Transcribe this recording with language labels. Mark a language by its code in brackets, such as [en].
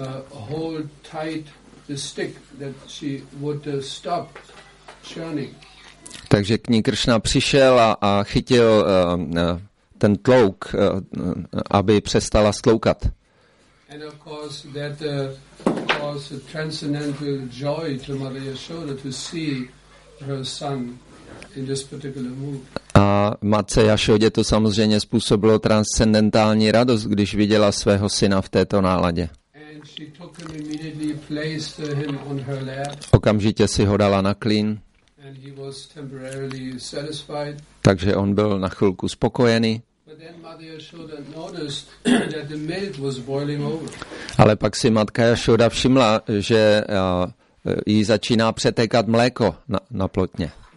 [en] Hold tight the stick that she would stop churning. [cs] Takže k ní Krishna přišel a chytil ten tlouk, aby přestala sloukat. [en] And of course that caused a transcendental joy to Mother Yashoda to see her son in this particular mood. [cs] A matce Yashodě to samozřejmě způsobilo transcendentální radost, když viděla svého syna v této náladě. [en] She took him immediately, placed him on her lap. [cs] Okamžitě si ho dala na klín. [en] And he was temporarily satisfied. [cs] Takže on byl na chvilku spokojený. [en] But then Mother Yashoda noticed that the milk was boiling over. [cs] Ale pak si matka Yashoda všimla, že jí začíná přetékat mléko na plotně.